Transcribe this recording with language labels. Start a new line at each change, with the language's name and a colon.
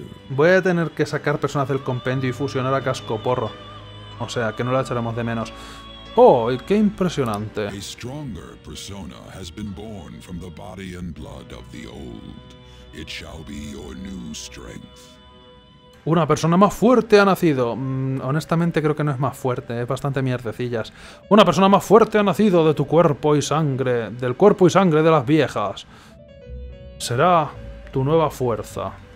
Spanish: Voy a tener que sacar personas del compendio y fusionar a Cascoporro. O sea, que no la echaremos de menos. ¡Oh, qué impresionante!
English: A stronger persona has been born from the body and blood of the old. It shall be your new strength.
Spanish: Una persona más fuerte ha nacido. Honestamente creo que no es más fuerte, es bastante mierdecillas. Una persona más fuerte ha nacido de tu cuerpo y sangre, del cuerpo y sangre de las viejas. Será tu nueva fuerza.